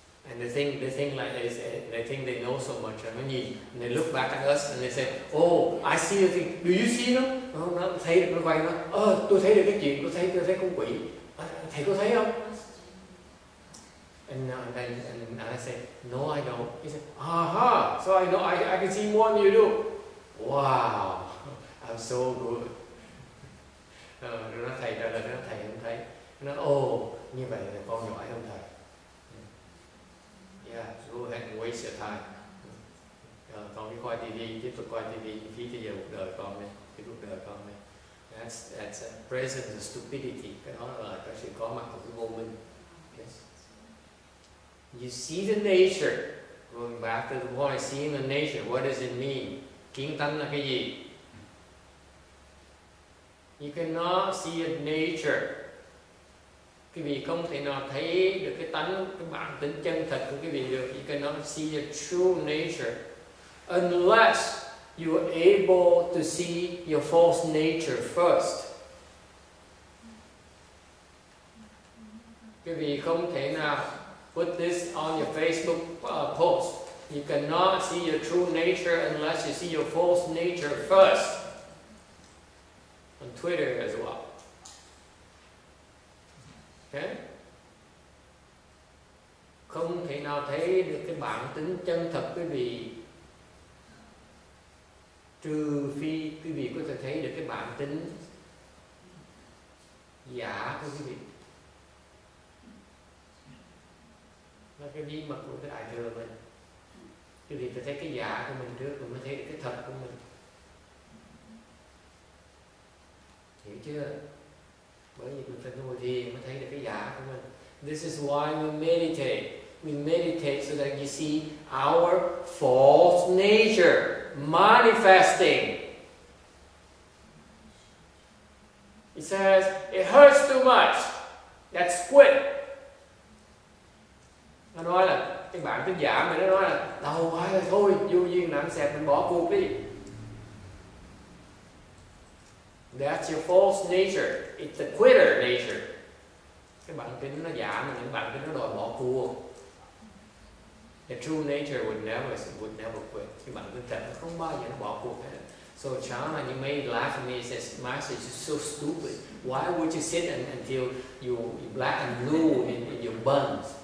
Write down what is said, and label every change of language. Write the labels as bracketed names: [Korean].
[English] And they think like this, they think they know so much. And they look back at us and they say, oh, I see the thing. Do you see them? [Vietnamese] No, no, thấy được, nó quay nó. Ờ, tôi thấy được cái chuyện, tôi thấy con quỷ. Thầy có thấy không? [English] And I say, no, I don't. He said, aha, so I know, I can see more than you do. Wow, I'm so good. [Vietnamese] Nó nói thầy, đó là nó thầy không thấy. Nó nói, ồ, như vậy là con nhỏ không thầy. [English] Yeah, go ahead and waste your time. [Vietnamese] Con cứ coi TV, tiếp tục coi TV, phí tới giờ cuộc đời con đi, cái cuộc đời con đi. [English] That's a presence of stupidity. [Vietnamese] Cái đó là cái sự có mặt của cái vô minh. [English] You see the nature, going back to the point, seeing the nature, what does it mean? [Vietnamese] Kiến tánh là cái gì? [English] You cannot see a nature. [Vietnamese] Quý vị không thể nào thấy được cái tánh, cái bản tính chân thật của quý vị được. [English] You cannot see the true nature. Unless you are able to see your false nature first. [Vietnamese] Quý vị không thể nào [English] put this on your Facebook post. You cannot see your true nature unless you see your false nature first. On Twitter as well. Okay? [Vietnamese] Không thể nào thấy được cái bản tính chân thật quý vị. Trừ phi quý vị có thể thấy được cái bản tính giả của quý vị. Là cái bí mật của cái đại thừa mình. Quý vị phải thấy cái giả của mình trước rồi mới thấy được cái thật của mình. Hiểu chưa? Bởi vì mình phải ngồi thiền mới thấy được cái giả của mình. [English] This is why we meditate. We meditate so that you see our false nature manifesting. It says, it hurts too much. That's quit. [Vietnamese] Nó nói là cái bản tính giả mà nó nói là đau quá rồi thôi, vô duyên nặng xẹp mình bỏ cuộc đi. [English] That's your false nature. It's the quitter nature. [Vietnamese] Cái bản tính nó giả mà những bản tính nó đòi bỏ cuộc. [English] The true nature would never quit. [Vietnamese] Cái bản tính thật nó không bao giờ nó bỏ cuộc hết. [English] So Chana, you may laugh at me and say, Master, you're so stupid. Why would you sit until you black and blue in your buns?